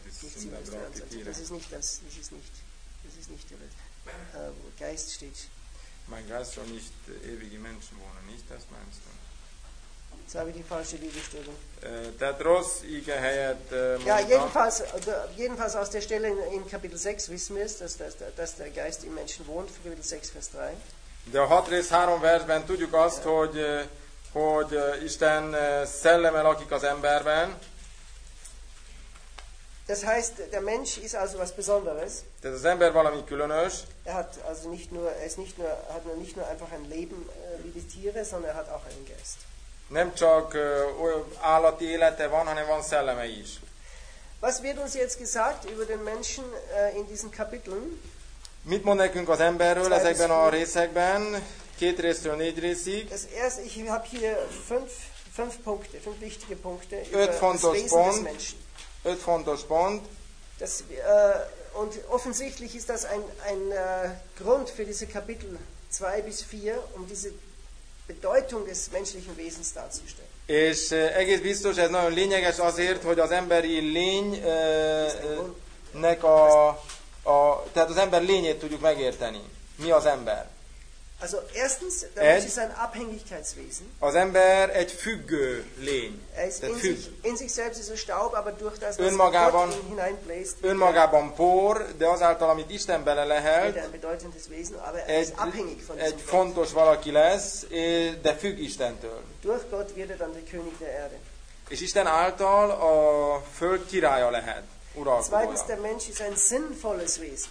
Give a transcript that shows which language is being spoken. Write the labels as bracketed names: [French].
[German] jedenfalls aus der Stelle in Kapitel 6 wissen wir es, dass der Geist im Menschen wohnt, Kapitel 6 Vers 3. [Hungarian] De a 6 rész 3 versben tudjuk azt, hogy Isten szelleme lakik az emberben. [German] Das heißt, der Mensch ist also was Besonderes. [Hungarian] Tehát az ember valami különös. [German] Er hat also nicht nur, er ist nicht nur, hat nicht nur einfach ein Leben wie die Tiere, sondern er hat auch einen Geist. [Hungarian] Nem csak állati élete van, hanem van szelleme is. [German] Was wird uns jetzt gesagt über den Menschen in diesen Kapiteln? [Hungarian] Mit mond nekünk az emberről ezekben a részekben, 2 részről 4 részig. [German] Das erste, ich habe hier fünf Punkte, fünf wichtige Punkte [Hungarian] über öt fontos [German] das Wesen [Hungarian] pont. [German] Des Menschen. [Hungarian] Öt fontos pont. [German] Das, und offensichtlich ist das ein Grund für diese Kapitel 2 bis 4, um diese Bedeutung des menschlichen Wesens darzustellen. [Hungarian] És egész biztos, ez nagyon lényeges azért, hogy az emberi lény nek a tehát az ember lényét tudjuk megérteni. Mi az ember? [German] Also erstens, der Mensch ist ein Abhängigkeitswesen. [Hungarian] Az ember egy függő lény. [German] In sich selbst ist er Staub, aber durch das, was Gott ihn hineinbläst, [Hungarian] önmagában por, de azáltal, amit Isten bele lehelt, [German] ein bedeutendes Wesen, aber er ist abhängig von [Hungarian] egy fontos valaki lesz, de függ Istentől. [German] Durch Gott wird er dann der König der Erde. [Hungarian] És Isten által a föld királya lehet. [German] Zweitens, der Mensch ist ein sinnvolles Wesen.